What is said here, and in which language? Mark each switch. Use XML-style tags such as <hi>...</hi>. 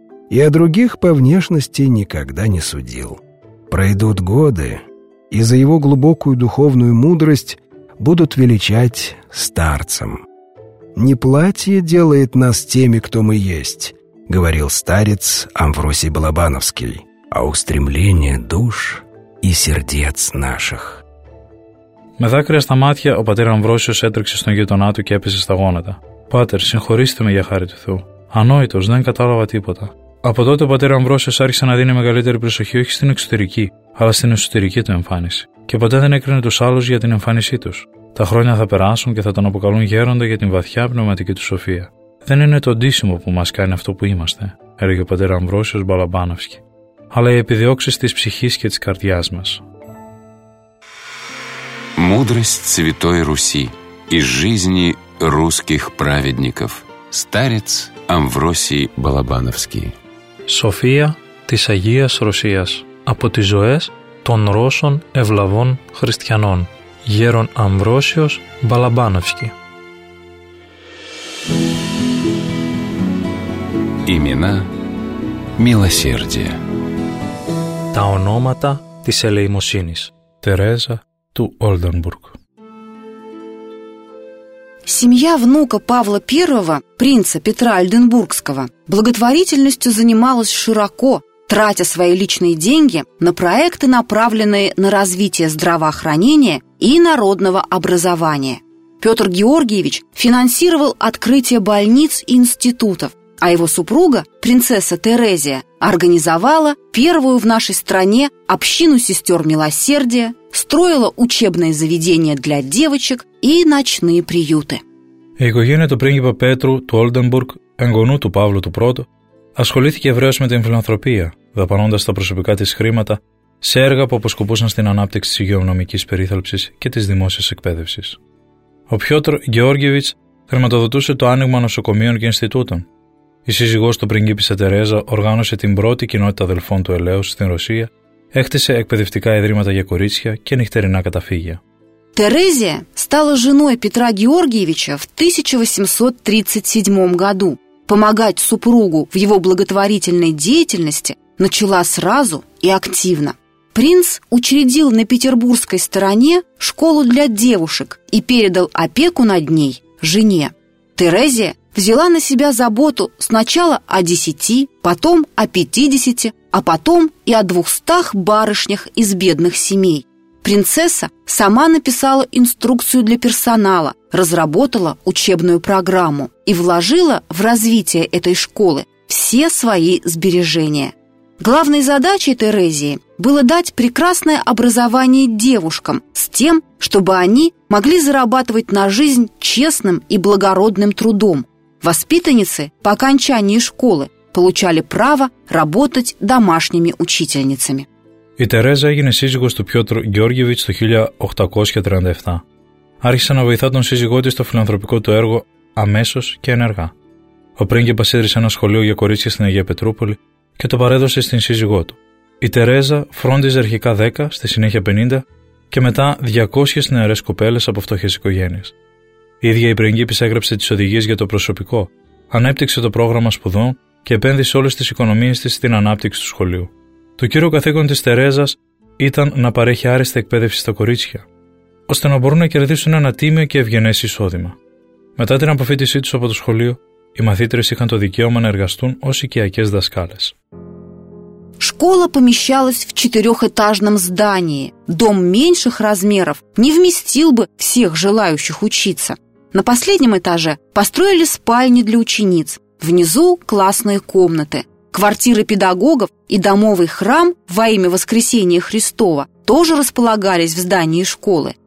<ru>И о других по внешности никогда не судил. Пройдут годы, и за его глубокую духовную мудрость будут величать старцем. «Не платье делает нас теми, кто мы есть», — говорил старец Амвросий Балабановский, «а устремление душ и сердец наших».</ru> <el>Με δάκρυα στα μάτια, ο πατήρ Αμβρόσιος έτρεξε στον γείτονά του και έπεσε στα γόνατα. «Πάτερ, συγχωρήστε με για χάρη του Θεού. Ανόητος, δεν κατάλαβα τίποτα». Από τότε ο πατήρ Αμβρόσιος άρχισε να δίνει μεγαλύτερη προσοχή όχι στην εξωτερική, αλλά στην εσωτερική του εμφάνιση. Και ποτέ δεν έκρινε τους άλλους για την εμφάνισή τους. Τα χρόνια θα περάσουν και θα τον αποκαλούν γέροντα για την βαθιά πνευματική του σοφία. «Δεν είναι το ντύσιμο που μας κάνει αυτό που είμαστε», έλεγε ο πατήρ Αμβρόσιος Μπαλαμπάνοφσκι, «αλλά οι επιδιώξεις της ψυχής και της καρδιάς μας».</el> <ru>Мудрость Святой Руси из жизни русских праведников. Старец Амвросий Балабановский.</ru> <el>София της Агίας Ρωσίας. Από τις ζωές των Ρώσων ευλαβών χριστιανών. Γέρον Αμβρόσιος Μπαλαμπάνοφσκι.</el> <ru>Имена милосердия.</ru> <el>Τα ονόματα της ελεημοσύνης. Тереза ту Ольденбург.</el> <ru>Семья внука Павла I, принца Петра Ольденбургского, благотворительностью занималась широко, тратя свои личные деньги на проекты, направленные на развитие здравоохранения и народного образования. Петр Георгиевич финансировал открытие больниц и институтов, а его супруга, принцесса Терезия, организовала первую в нашей стране общину сестер милосердия, строила учебные заведения для девочек и ночные приюты.</ru> <el>Η οικογένεια του πρίγκιπα Πέτρου του Ολντενμπουργκ, εγγονού του Παύλου του Πρώτου, ασχολήθηκε ευρέως με την φιλανθρωπία, δαπανώντας τα προσωπικά της χρήματα σε έργα που αποσκοπούσαν στην ανάπτυξη της υγειονομικής περίθαλψης και της δημόσιας εκπαίδευσης. Ο Πιότρ Γεώργιεβιτς χρηματοδοτούσε το άνοιγμα νοσοκομείων και Ινστιτούτων. Η σύζυγός του πρίγκιπισσα Τερέζα οργάνωσε την πρώτη κοινότητα αδελφών του Ελέους στην Ρωσία, έκτισε εκπαιδευτικά ιδρύματα για κορίτσια και νυχτερινά καταφύγια.</el> <ru>Терезия стала женой Петра Георгиевича в 1837 году. Помогать супругу в его благотворительной деятельности начала сразу и активно. Принц учредил на петербургской стороне школу для девушек и передал опеку над ней жене. Терезия взяла на себя заботу сначала о 10, потом о 50, а потом и о 200 барышнях из бедных семей. Принцесса сама написала инструкцию для персонала, разработала учебную программу и вложила в развитие этой школы все свои сбережения. Главной задачей Терезии было дать прекрасное образование девушкам с тем, чтобы они могли зарабатывать на жизнь честным и благородным трудом. Воспитанницы по окончании школы получали право работать домашними учительницами.</ru> <el>Η Τερέζα έγινε σύζυγος του Πιότρ Γεώργιεβιτς το 1837. Άρχισε να βοηθά τον σύζυγό της στο φιλανθρωπικό του έργο αμέσως και ενεργά. Ο πρίγκιπας ίδρυσε ένα σχολείο για κορίτσια στην Αγία Πετρούπολη και το παρέδωσε στην σύζυγό του. Η Τερέζα φρόντιζε αρχικά 10, στη συνέχεια 50 και μετά 200 νεαρές κοπέλες από φτωχές οικογένειες. Η ίδια η πρίγκιπισσα έγραψε τις οδηγίες για το προσωπικό, ανέπτυξε το πρόγραμμα σπουδών και επένδυσε όλες τις οικονομίες της στην ανάπτυξη του σχολείου. Το κύριο καθήκον της Τερέζας ήταν να παρέχει άριστη εκπαίδευση στα κορίτσια, ώστε να μπορούν να κερδίσουν ένα τίμιο και ευγενές εισόδημα. Μετά την αποφύτισή τους από το σχολείο, οι μαθήτρες είχαν το δικαίωμα να εργαστούν ως οικιακές δασκάλες.</el> <ru>Школа помещалась в четырехэтажном здании. Дом меньших размеров не вместил бы всех желающих учиться. На последнем этаже построили спальни для учениц, внизу классные комнаты. Квартиры педагогов и домовый храм во имя Воскресения Христова тоже располагались в здании школы.</ru>